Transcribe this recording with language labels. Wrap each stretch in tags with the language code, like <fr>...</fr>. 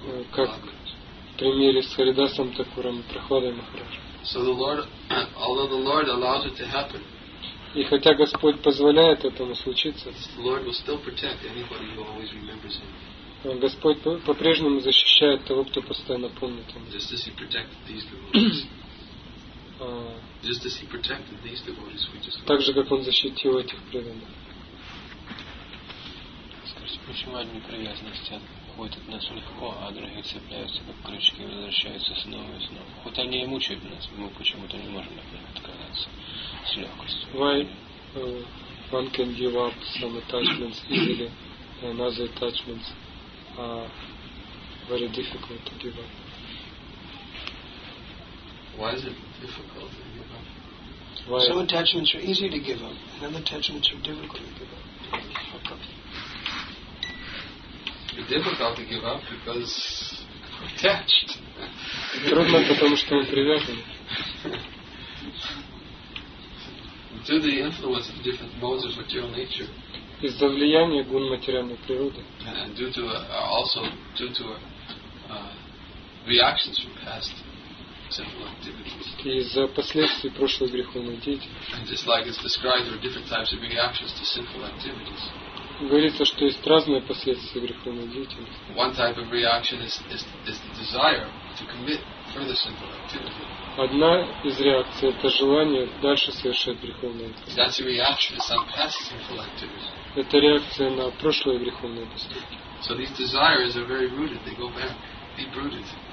<ru>Как в примере с Харидасом Такуром и Прохладой Махарадж. И хотя Господь позволяет этому случиться,</ru> <en>Lord will still protect anybody who always remembers him.</en> <ru>Господь по-прежнему защищает того, кто постоянно помнит</ru> <en>Him. Just as He protected these devotees. Just as He protected these devotees, we just.</en> <ru>Так же, как Он защитил этих преданных. Скажите, почему одни привязанности уходят от нас легко, а другие цепляются как крючки и возвращаются снова и снова? Хоть они и мучают нас, мы почему-то не можем от них отказаться.</ru> <en>Why one can give up some attachments easily and other attachments are very difficult to give up? Why is it difficult to give up? Why? Some attachments are easy to give up and other attachments are difficult to give up. It's difficult to give up because attached.</en> <ru>Трудно, потому что мы привязаны.</ru> <en>Due to the influence of different modes of material nature.</en> <ru>Из-за влияния гун материальной природы.</ru> <en>And due to also due to reactions from past sinful activities.</en> <ru>Из-за последствий прошлых греховных деяний.</ru> <en>And just like it's described, there are different types of reactions to sinful activities.</en> <ru>Говорится, что есть разные последствия греховных деяний.</ru> <en>One type of reaction is the desire to commit further sinful activity.</en> <ru>Одна из реакций – это желание дальше совершать греховные поступки. Это реакция на прошлые греховные поступки.</ru>